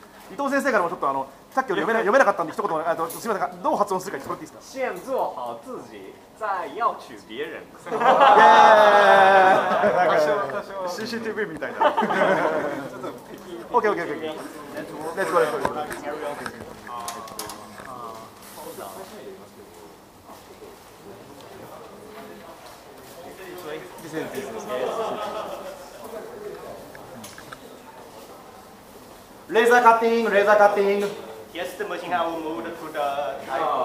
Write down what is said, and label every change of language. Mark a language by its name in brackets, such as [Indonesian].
[Japanese] 伊藤先生からもちょっとさっき読めなかったんで一言、すみません、どう発音するか言っていいですか。 [Chinese] 先做好自己再要求別人。 [Japanese] CCTV みたいな。ちょっと OKOKOK。レッツゴー。レーザーカッティング。 [English] Yes, the machine will move to the type.